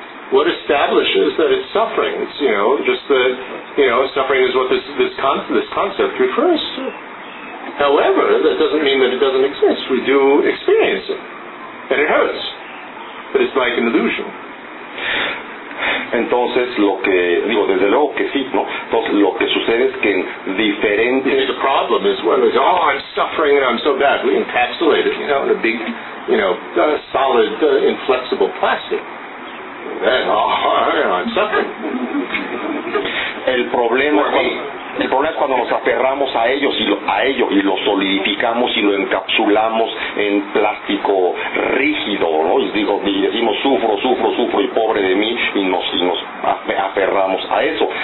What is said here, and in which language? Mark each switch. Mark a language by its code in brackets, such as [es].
[en] What establishes that it's suffering? It's, you know, just that, you know, suffering is what this concept refers to. However, that doesn't mean that it doesn't exist. We do experience it, and it hurts, but it's like an illusion. [es] Entonces, lo que digo, desde luego que sí, ¿no? Entonces, lo que sucede es que en diferentes. [en] The problem is when we say, oh, I'm suffering and I'm so bad. We encapsulate it, you know, in a big, you know, solid, inflexible plastic. Then, oh, I'm suffering. [es] El problema es cuando nos aferramos a ellos y lo solidificamos y lo encapsulamos en plástico rígido, ¿no? Y decimos sufro, sufro, sufro y pobre de mí y nos aferramos a eso.